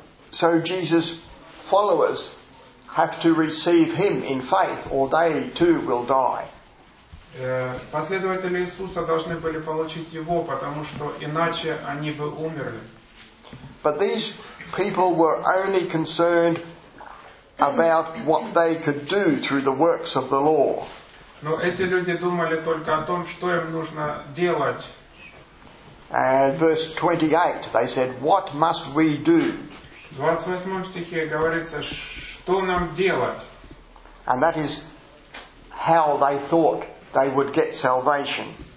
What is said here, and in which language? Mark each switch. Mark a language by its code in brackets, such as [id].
[en] So Jesus' followers have to receive him in faith, or they too will die. [ru] Последователи Иисуса должны были получить его, потому что иначе они бы умерли. [en] But these people were only concerned about what they could do through the works of the law. [ru] Но эти люди думали только о том, что им нужно делать. [en] And verse 28, they said, "What must we do?" [ru] В 28 стихе говорится, что нам делать. [en] And that is how they thought they would get salvation.